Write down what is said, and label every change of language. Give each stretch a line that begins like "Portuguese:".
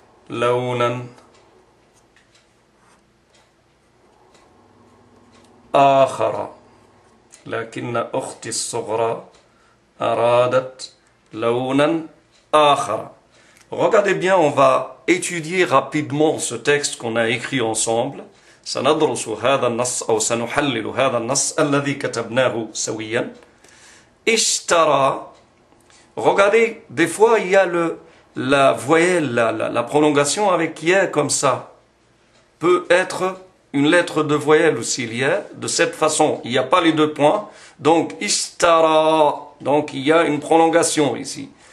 Arabic: لونا آخر لكن أختي الصغرى أرادت لونا آخر.
French: Regardez bien, on va étudier rapidement ce texte qu'on a écrit ensemble.
Arabic: سندرس هذا النص أو سنحلل هذا النص الذي كتبناه سويا. اشترى.
French: Regardez, des fois il y a la voyelle, la prolongation avec « y » comme ça. Peut être une lettre de voyelle aussi il y a. De cette façon, il n'y a pas les deux points. Donc, ishtara. Donc, il y a une prolongation ici.